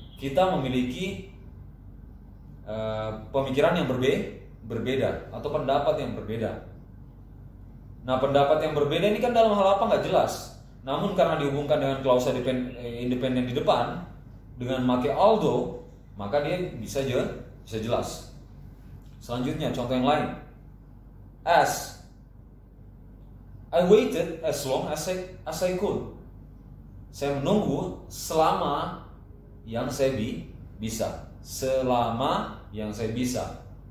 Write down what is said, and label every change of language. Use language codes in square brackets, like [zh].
[id] Kita memiliki pemikiran yang berbeda atau pendapat yang berbeda. Nah, pendapat yang berbeda ini kan dalam hal apa nggak jelas. Namun karena dihubungkan dengan klausa independen di depan dengan make although, maka dia bisa jelas. Selanjutnya contoh yang lain. [en] As I waited as long as I could. [id] Saya menunggu selama yang saya bisa. Selama yang saya bisa.